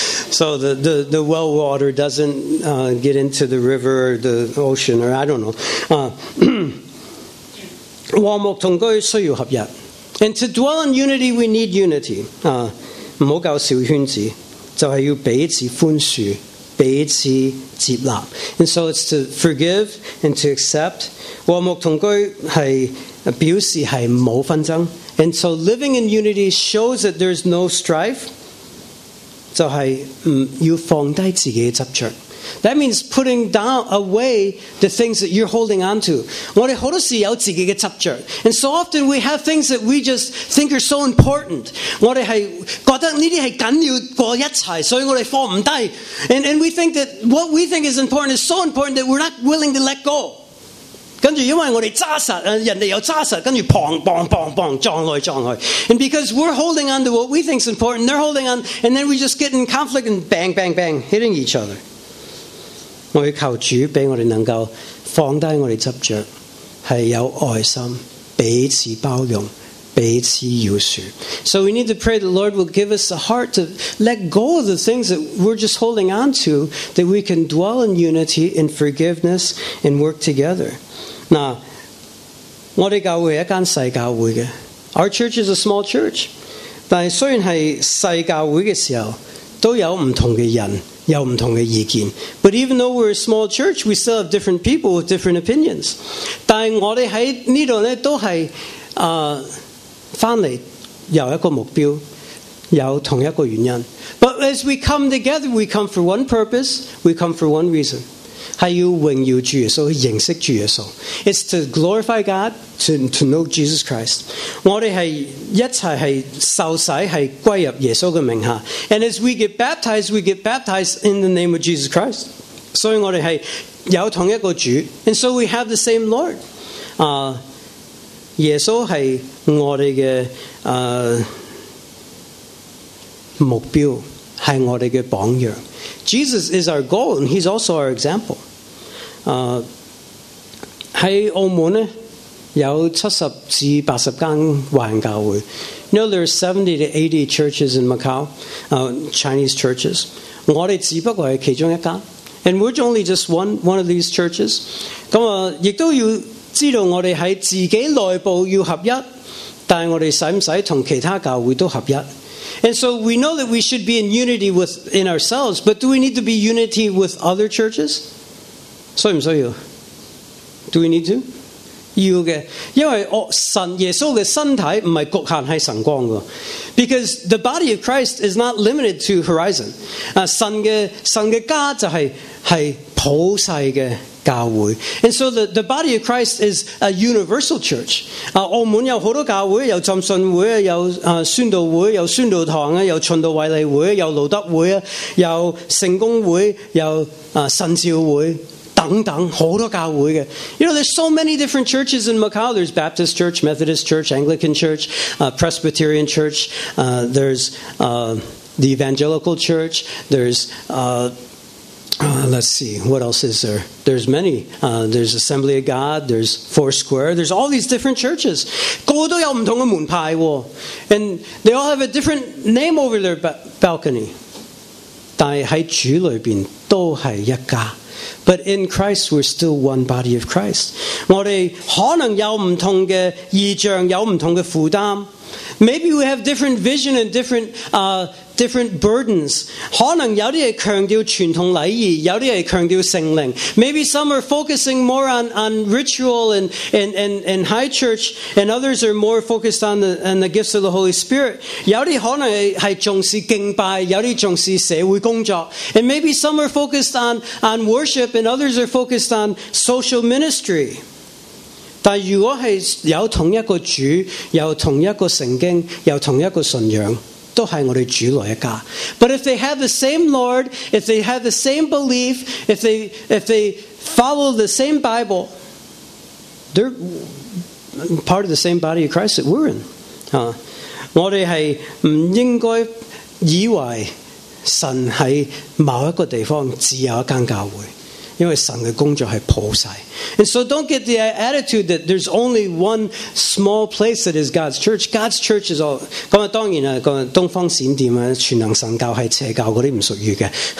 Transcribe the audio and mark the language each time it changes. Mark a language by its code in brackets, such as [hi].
[en] So the well water doesn't get into the river or the ocean or I don't know. [zh] 和睦同居需要合一。 [en] And to dwell in unity, we need unity. [zh] 不要搞小圈子，就是要彼此宽恕，彼此接纳。 [en] And so it's to forgive and to accept. [zh] 和睦同居是表示是没有纷争。 [en] And so living in unity shows that there's no strife. [zh] 就是要放低自己的执着。 [en] That means putting down away the things that you're holding on to. [zh] 我们很多时有自己的执着。 [en] And so often we have things that we just think are so important. [zh] 我们是觉得这些是紧要过一切，所以我们放不低。 [en] And we think that what we think is important is so important that we're not willing to let go. [zh] 跟住，因为我哋揸实，人哋又揸实，跟住砰砰砰砰撞来撞去。 [en] And because we're holding on to what we think is important, they're holding on, and then we just get in conflict and bang, bang, bang, hitting each other. [zh] 我要求主俾我哋能够放低我哋执着，系有爱心，彼此包容，彼此饶恕。 [en] So we need to pray the Lord will give us a heart to let go of the things that we're just holding on to, that we can dwell in unity, in forgiveness, and work together. [zh] 那我哋教会是一间小教会的。 [en] Our church is a small church. [zh] 但是虽然是小教会的时候，都有不同的人，有不同的意见。 [en] But even though we're a small church, we still have different people with different opinions. [zh] 但我哋在这里呢都是回来有一个目标，有同一个原因。 [en] But as we come together, we come for one purpose, we come for one reason. [zh] 是要荣耀主耶稣，认识主耶稣。 [en] It's to glorify God, to know Jesus Christ. [zh] 我们是一起是受洗，是归入耶稣的名下。 [en] And as we get baptized in the name of Jesus Christ. [zh] 所以我们是有同一个主。 [en] And so we have the same Lord. [zh] 耶稣是我们的目标，是我们的榜样。 [en] Jesus is our goal, and he's also our example. [zh] 在澳门呢有70-80间华人教会。 [en] You know, there are 70-80 churches in Macau, Chinese churches. [zh] 我们只不过是其中一间。 [en] And we're only just one of these churches. [zh] 那么也都要知道我们在自己内部要合一，但是我们使不使跟其他教会都合一？ [en] And so we know that we should be in unity within ourselves, but do we need to be unity with other churches? [zh] 需不需要? [en] Do we need to? [zh] 要的。因为神耶稣的身体不是局限在神光的。 [en] Because the body of Christ is not limited to horizon. [zh] 神的家就是普世的教会。 [en] And so the body of Christ is a universal church. [zh] 澳门有很多教会，有浸信会，有宣道会，有宣道堂，有循道卫理会，有路德会，有圣公会，有神召会等等，很多教会的。 [en] You know, there's so many different churches in Macau. There's Baptist Church, Methodist Church, Anglican Church, Presbyterian Church. There's the Evangelical Church. There's let's see, what else is there? There's many. There's Assembly of God. There's Foursquare. There's all these different churches. [zh] 各都有不同的门派哦。 [en] And they all have a different name over their balcony. [zh] 但是在主里面都是一家。 [en] But in Christ, we're still one body of Christ. [zh] 我们可能有不同的意象，有不同的负担。 [en] Maybe we have different vision and different burdens. [zh] 可能有些是强调传统礼仪，有些是强调圣灵。 [en] Maybe some are focusing more on ritual and high church, and others are more focused on the gifts of the Holy Spirit. [zh] 有些可能是重视敬拜，有些重视社会工作。 [en] And maybe some are focused on worship, and others are focused on social ministry. [zh] 但如果是有同一个主，有同一个圣经，有同一个信仰，都是我们主内一家。 [en] But if they have the same Lord, if they have the same belief, if they follow the same Bible, they're part of the same body of Christ that we're in. [zh] 我们是不应该以为神在某一个地方只有一间教会。因为神的工作是普世。 [en] And so don't get the attitude that there's only one small place that is God's church. God's church is all. [zh] 当然了，东方闪电，全能神教是邪教，那些不属于的。